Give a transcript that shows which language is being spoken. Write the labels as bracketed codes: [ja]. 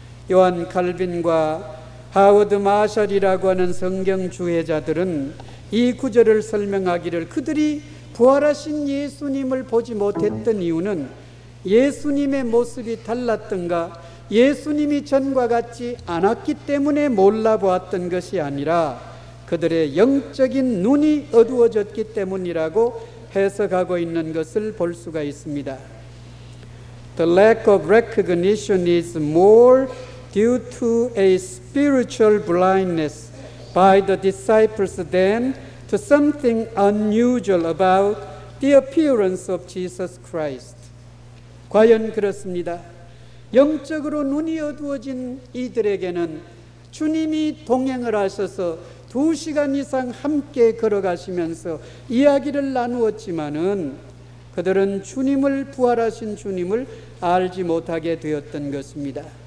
[ko] 요한 칼빈과 하워드 마셜이라고 하는 성경 주의자들은 이 구절을 설명하기를 그들이 부활하신 예수님을 보지 못했던 이유는 예수님의 모습이 달랐던가 예수님이 전과 같지 않았기 때문에 몰라보았던 것이 아니라 그들의 영적인 눈이 어두워졌기 때문이라고 해석하고 있는 것을 볼 수가 있습니다. [en] The lack of recognition is more due to a spiritual blindness by the disciples than to something unusual about the appearance of Jesus Christ. [ko] 과연 그렇습니다. 영적으로 눈이 어두워진 이들에게는 주님이 동행을 하셔서 두 시간 이상 함께 걸어가시면서 이야기를 나누었지만은 그들은 주님을 부활하신 주님을 알지 못하게 되었던 것입니다.